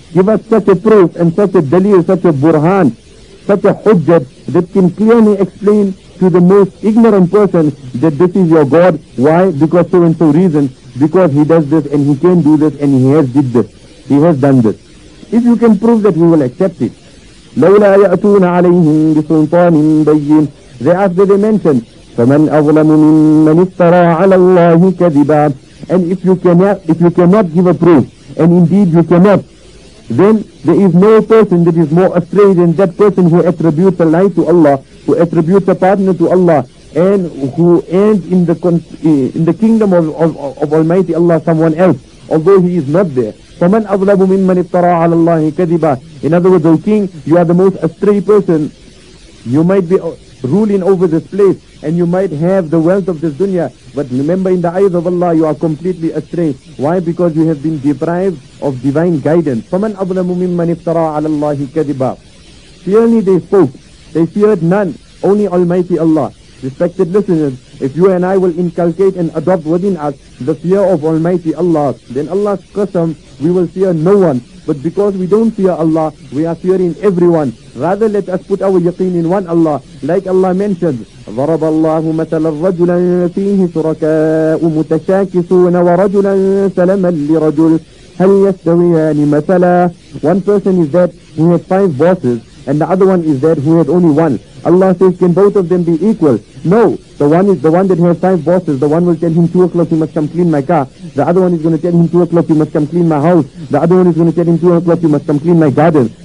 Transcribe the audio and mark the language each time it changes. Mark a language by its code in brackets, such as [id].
[en] Give us such a proof and such a dalil, such a burhan, such a hujjah that can clearly explain to the most ignorant person that this is your God. Why? Because so and so reason. Because he does this and he can do this and he has did this. He has done this. If you can prove that, we will accept it. [ar] لَوْلَا يَأْتُونَ عَلَيْهِمْ بِسُلْطَانٍ بَيِّنٍ. [en] Thereafter they mention, [ar] فَمَنْ أَظْلَمُ مِمَّنِ افْتَرَى عَلَى اللَّهِ كَذِبًا. [en] And if you cannot give a proof, and indeed you cannot, then there is no person that is more astray than that person who attributes a lie to Allah, who attributes a partner to Allah, and who ends in the kingdom of Almighty Allah someone else, although he is not there. [ar] فَمَنْ أَظْلَمُ مِمَّنِ افْتَرَى عَلَى اللَّهِ كَذِبًا. [en] In other words, O King, you are the most astray person. You might be ruling over this place, and you might have the wealth of this dunya, but remember, in the eyes of Allah, you are completely astray. Why? Because you have been deprived of divine guidance. [ar] فَمَنْ أَظْلَمُ مِمَّنِ افْتَرَى عَلَى اللَّهِ كَذِبًا. [en] Fearly they spoke. They feared none, only Almighty Allah. Respected listeners, if you and I will inculcate and adopt within us the fear of Almighty Allah, then Allah's qasam, we will fear no one. But because we don't fear Allah, we are fearing everyone. Rather, let us put our yaqeen in one Allah. Like Allah mentioned, [ar] ضَرَبَ اللَّهُ مَثَلًا رَجُلًا فِيهِ شُرَكَاءُ مُتَشَاكِسُونَ وَرَجُلًا سَلَمًا لِرَجُلٍ هَلْ يَسْتَوِيَانِ مَثَلًا. [en] One person is that who has five bosses, and the other one is that who has only one. Allah says, can both of them be equal? No, the one that has five bosses, the one will tell him 2 o'clock, you must come clean my car. The other one is going to tell him 2 o'clock, you must come clean my house. The other one is going to tell him 2 o'clock, you must come clean my garden.